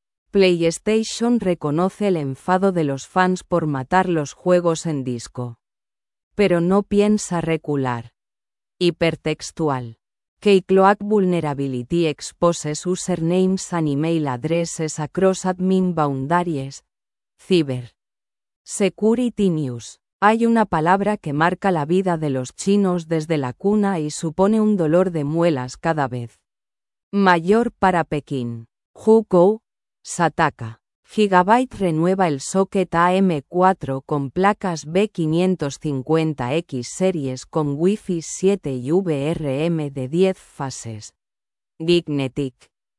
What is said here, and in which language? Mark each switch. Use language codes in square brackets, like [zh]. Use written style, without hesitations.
[es] PlayStation reconoce el enfado de los fans por matar los juegos en disco. Pero no piensa recular. Hipertextual. [en] Keycloak Vulnerability exposes usernames and email addresses across admin boundaries. Cyber. Security News. [es] Hay una palabra que marca la vida de los chinos desde la cuna y supone un dolor de muelas cada vez mayor para Pekín. Hukou. Sataka. Gigabyte renueva el socket AM4 con placas B550X series con Wi-Fi 7 y VRM de 10 fases. Gignetic.